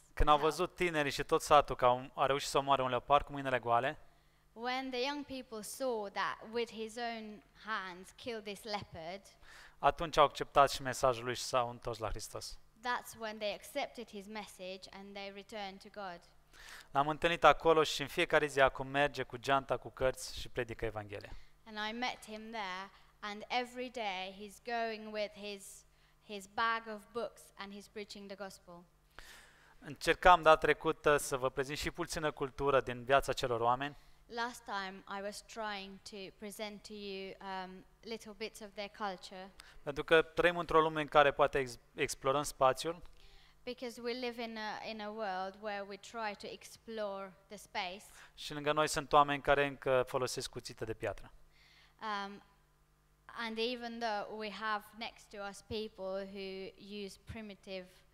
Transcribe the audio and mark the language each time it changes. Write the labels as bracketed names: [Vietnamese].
[Romanian] Când au văzut tinerii și tot satul că a reușit să omoare un leopard cu mâinile goale. [English] When the young people saw that with his own hands killed this leopard. [Romanian] Atunci au acceptat și mesajul lui și s-au întors la Hristos. [English] That's when they accepted his message and they returned to God. [Romanian] L-am întâlnit acolo și în fiecare zi acum merge cu geanta, cu cărți și predică Evanghelia. [English] And I met him there and every day he's going with his bag of books and he's preaching the gospel. [Romanian] Încercam data trecută să vă prezint și puțină cultură din viața celor oameni. [English] Last time I was trying to present to you little bits of their culture. [Romanian] Pentru că trăim într-o lume în care poate explorăm spațiul. [English] Because we live in a world where we try to explore the space. [Romanian] Și lângă noi sunt oameni care încă folosesc cuțită de piatră. [English] And even though we have next to us people who use primitive